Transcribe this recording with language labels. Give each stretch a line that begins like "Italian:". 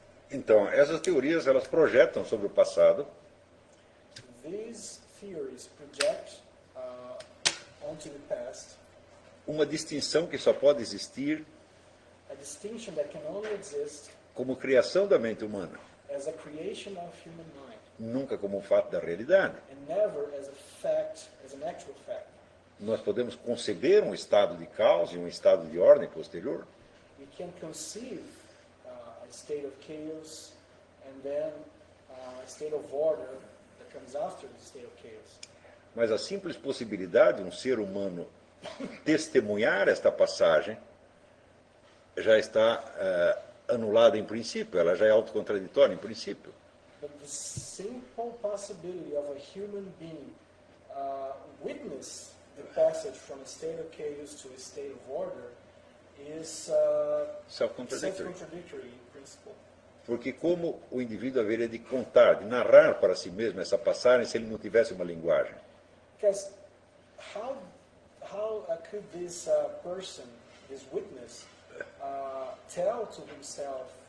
Portuguese: Então, essas teorias elas projetam sobre o passado.
English: These theories project onto the past.
Portuguese: Uma distinção que só pode existir.
English: A distinction that can only exist.
Portuguese: Como criação da mente humana.
English: As a creation of human mind.
Portuguese: Nunca como um fato da realidade.
English: And never as a fact, as an actual fact.
Portuguese: Nós podemos conceber um estado de caos e um estado de ordem posterior.
English: We can conceive a state of chaos and then a state of order that comes after the state of chaos.
Portuguese: Mas a simples possibilidade de um ser humano testemunhar esta passagem já está anulada em princípio, ela já é autocontraditória em princípio.
English: But the simple possibility of a human being witness the passage from a state of chaos to a state of order is self-contradictory in principle.
Portuguese: Porque como o indivíduo haveria de contar, de narrar para si mesmo essa passagem se ele não tivesse uma linguagem?
English: Because how could this person, this witness, tell to himself?